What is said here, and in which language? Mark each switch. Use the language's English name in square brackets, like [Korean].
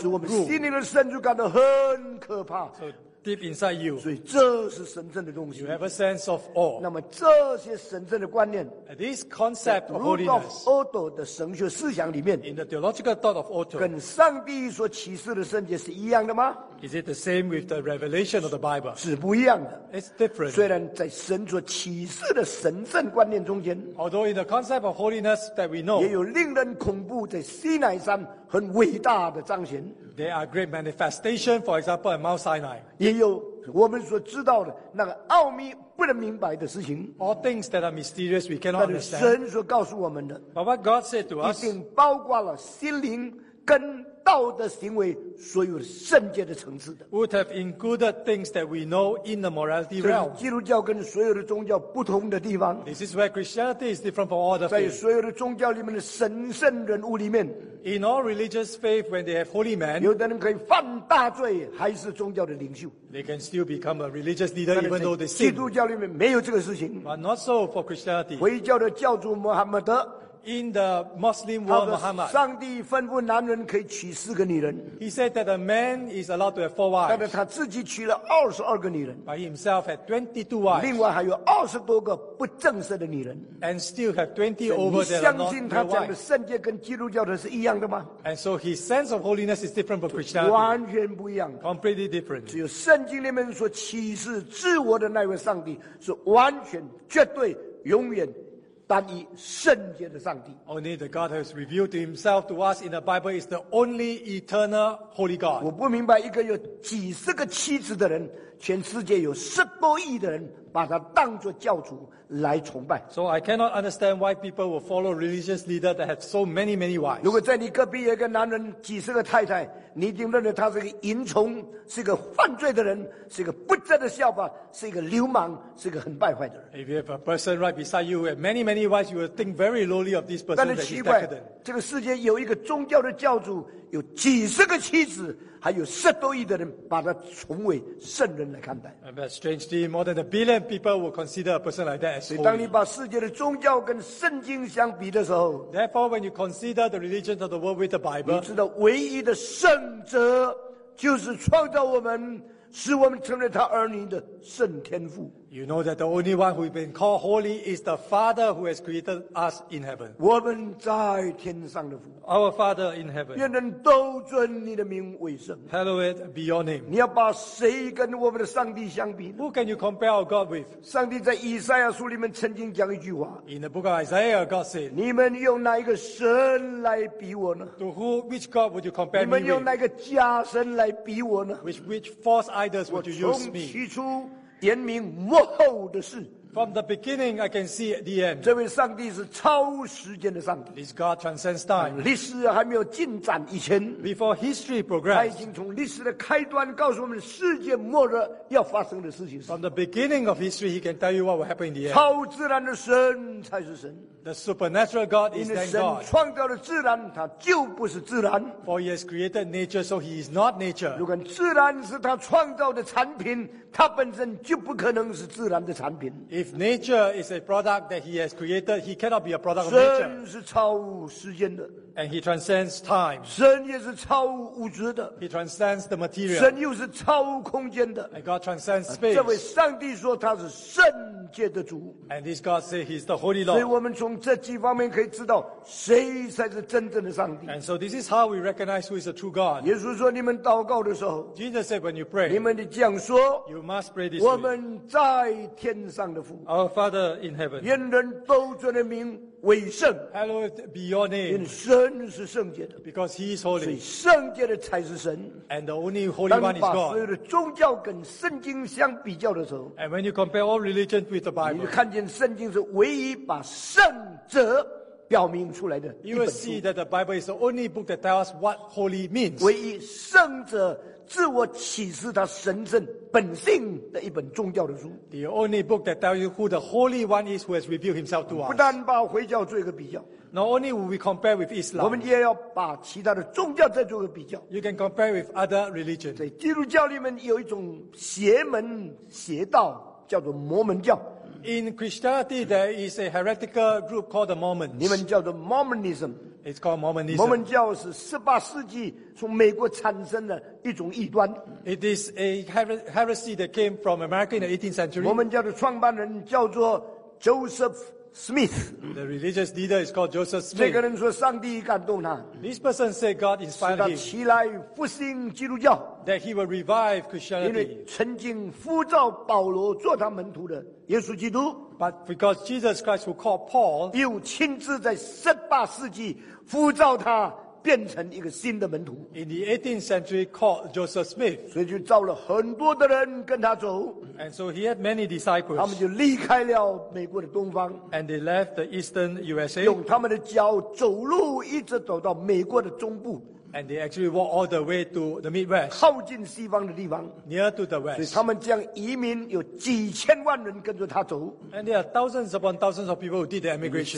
[Chinese] 使我们心灵的深处感到很可怕。 [English] So deep inside you. [Chinese] 所以这是神圣的东西。 [English] You have a sense of awe. [Chinese] 那么这些神圣的观念。 [English] This concept of holiness. [Chinese] Rudolf Otto 的神学思想里面。 [English] In the theological thought of Otto. [Chinese] 跟上帝所启示的圣洁是一样的吗？ [English] Is it the same with the revelation of the Bible? [Chinese] 是不一样的。 [English] It's different. [Chinese] 虽然在神所启示的神圣观念中间 [English] ，although in the concept of holiness that we know, [Chinese] 也有令人恐怖在西奈山很伟大的彰显。 [English] There are great manifestations, for example, at Mount Sinai. [Chinese] 也有我们所知道的那个奥秘不能明白的事情。 [English] All things that are mysterious we cannot understand. [Chinese] 但是神所告诉我们的 [English] ，But what God said to us, [Chinese] 一定包括了心灵跟。道德行为所有圣洁的层次的 [English] would have included things that we know in the morality realm. [Chinese] 基督教跟所有的宗教不同的地方 [English] This is where Christianity is different from all the faiths. [Chinese] 在所有的宗教里面的神圣人物里面 [English] in all religious faith, when they have holy men, [Chinese] 有的人可以犯大罪，还是宗教的领袖 [English] they can still become a religious leader even though they sin. [Chinese] 基督教里面没有这个事情 [English] but not so for Christianity. [Chinese] 回教的教主穆罕默德 [English] In the Muslim world, Muhammad. [Chinese] 上帝吩咐男人可以娶四个女人。 [English] He said that a man is allowed to have four wives. [Chinese] 但是他自己娶了二十二个女人。 [English] By himself had 22 wives. [Chinese] 另外还有二十多个不正式的女人。 [English] And still have 20 over there. [Chinese] 你相信他讲的圣洁跟基督教的是一样的吗 [English] ？And so his sense of holiness is different from Christianity. [Chinese] 完全不一样。 [English] Completely different. [Chinese] 只有圣经里面所启示自我的那位上帝是完全、绝对、永远。单一圣洁的上帝。 [English] Only the God has revealed himself to us in the Bible is the only eternal holy God. [Chinese] 我不明白一个有几十个妻子的人，全世界有十多亿的人把他当作教主来崇拜。 [English] So I cannot understand why people will follow religious leader that have so many many wives. [Chinese] 如果在你隔壁有一个男人几十个太太，你一定认为他是个淫虫，是个犯罪的人，是个不正的效法，是一个流氓，是个很败坏的人。 [English] If you have a person right beside you with many many wives, you will think very lowly of this person. [Chinese] 但是奇怪，这个世界有一个宗教的教主，有几十个妻子，还有十多亿的人把他崇为圣人来看待。 [English] But strangely, more than a billion people will consider a person like that as holy. [Chinese] 当你把世界的宗教跟圣经相比的时候 [English] ，Therefore, when you consider the religion of the world with the Bible, [Chinese] 你知道唯一的圣者就是创造我们，使我们成为他儿女的圣天父。 [English] You know that the only one who has been called holy is the Father who has created us in heaven. [Chinese] 我们在天上的父。 [English] Our Father in heaven. [Chinese] 愿人都尊你的名为圣。 [English] Hallowed be your name. [Chinese] 你要把谁跟我们的上帝相比呢？ [English] Who can you compare our God with? [Chinese] 上帝在以赛亚书里面曾经讲一句话。 [English] In the book of Isaiah, God said, [Chinese] 你们用哪一个神来比我呢？ [English] To who, which God would you compare me with? [Chinese] 你们用哪个假神来比我呢？ [English] Which false idols would you use me? [Chinese] 我从起初言明幕后的事。 [English] From the beginning, I can see the end. [Chinese] 这位上帝是超时间的上帝。 [English] This God transcends time. [Chinese] 历史还没有进展以前 [English] ，Before history progresses, [Chinese] 他已经从历史的开端告诉我们世界末日要发生的事情。 [English] From the beginning of history, He can tell you what will happen in the end. [Chinese] 超自然的神才是神。 [English] The supernatural God is then God. [Chinese] 神创造了自然，他就不是自然。 [English] For He has created nature, so He is not nature. [Chinese] 如果自然是他创造的产品，他本身就不可能是自然的产品。 [English] If nature is a product that He has created, He cannot be a product of nature. [Chinese] 神是超时间的。 [English] And He transcends time. [Chinese] 神也是超物质的。 [English] He transcends the material. [Chinese] 神又是超空间的。 [English] And God transcends space. [Chinese] 这位上帝说他是圣界的主。 [English] And this God says He is the Holy Lord. [Chinese] 所以我们从这几方面可以知道谁才是真正的上帝。 [English] And so this is how we recognize who is the true God. [Chinese] 耶稣说你们祷告的时候 [English] ，Jesus said when you pray, [Chinese] 你们的讲说 [English] ，You must pray this way. [Chinese] 我们在天上的父 [English] ，Our Father in heaven. [Chinese] 愿人都尊的名。为圣 [English] ，Hallowed be your name， [Chinese] 因神是圣洁的 [English] ，Because He is holy， [Chinese] 所以圣洁的才是神 [English] ，And the only holy one is God。 [Chinese] 当你把所有的宗教跟圣经相比较的时候 [English] ，And when you compare all religions with the Bible， [Chinese] 你就看见圣经是唯一把圣者表明出来的一本书。 [English] You will see that the Bible is the only book that tells us what holy means。 [Chinese] 唯一圣者自我启示他神圣本性的一本宗教的书。 [English] The only book that tells you who the Holy One is who has revealed Himself to us. [Chinese] 不但把回教做一个比较。 [English] Not only will we compare with Islam. [Chinese] 我们也要把其他的宗教再做个比较。 [English] You can compare with other religions. [Chinese] 在基督教里面有一种邪门邪道叫做摩门教。 [English] In Christianity, there is a heretical group called the Mormons. [Chinese] 你们叫做 Mormonism. [English] It's called Mormonism. [Chinese] 摩门教是十八世纪从美国产生的一种异端。 [English] It is a heresy that came from America in the 18th century. [Chinese] 摩门教的创办人叫做 Joseph Smith. [English] The religious leader is called Joseph Smith. [Chinese] 这个人说上帝感动他。 [English] This person said God inspired him. [Chinese] 使他起来复兴基督教。 [English] That he will revive Christianity. [Chinese] 因为曾经呼召保罗做他门徒的耶稣基督。 [English] But because Jesus Christ who called Paul. [Chinese] 又亲自在十八世纪呼召他变成一个新的门徒。 [English] In the 18th century called Joseph Smith. [Chinese] 所以就召了很多的人跟他走。 [English] And so he had many disciples. [Chinese] 他们就离开了美国的东方。 [English] And they left the eastern USA. [Chinese] 用他们的脚走路一直走到美国的中部。 [English] And they actually walk all the way to the Midwest. [Chinese] 靠近西方的地方。 [English] Near to the West. [Chinese] 所以他们将移民有几千万人跟着他走。 [English] And there are thousands upon thousands of people who did the immigration.